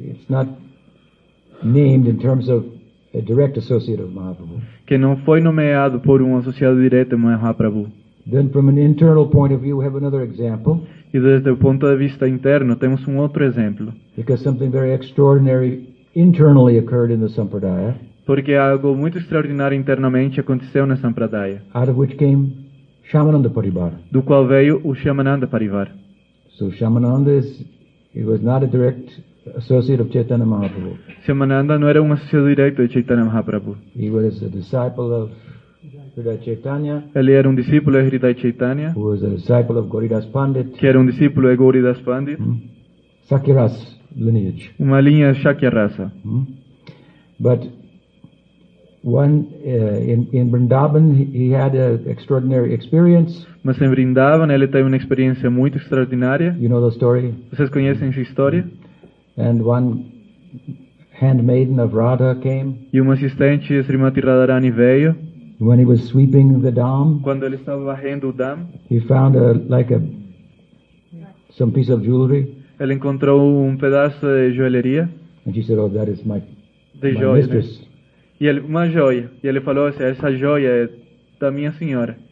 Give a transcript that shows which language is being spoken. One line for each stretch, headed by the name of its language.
English: It's not named in terms of a direct associate of Mahaprabhu.
Portuguese: Que não foi nomeado por associado direto de Mahaprabhu.
English: Then from an internal point of view, we have another example.
Portuguese: E desde o ponto de vista interno, temos outro exemplo.
English: Because something very extraordinary internally occurred in the Sampradaya.
Portuguese: Porque algo muito extraordinário internamente aconteceu na Sampradaya.
English: Out of which came Shamananda Parivar.
Portuguese: Do qual veio o Shamananda Parivar.
English: So Shamananda was not a direct associate of Chaitanya Mahaprabhu.
Portuguese: Shamananda não era um associado direto de Chaitanya Mahaprabhu.
English: He was a disciple of Hridaya Chaitanya.
Portuguese: Ele era discípulo de Hridaya Chaitanya.
English: Who was a disciple of Gauridas Pandit.
Portuguese: Que era discípulo de Gauridas Pandit.
English: Sakyaras lineage.
Portuguese: Uma linha Sakyarasa.
English: But in Vrindavan he had an extraordinary experience.
Portuguese: Mas em Vrindavan ele teve uma experiência muito extraordinária.
English: You know the story?
Portuguese: Vocês conhecem sua história?
English: And one handmaiden of Radha came.
Portuguese: E uma assistente de Srimati Radharani veio.
English: When he was sweeping the dam,
Portuguese: quando ele estava varrendo o dam,
English: he found some piece of jewelry.
Portuguese: Ele encontrou pedaço de joalheria.
English: And she said, "Oh, that is my mistress."
Portuguese: E ele, uma joia. E ele falou assim, essa joia é da minha senhora.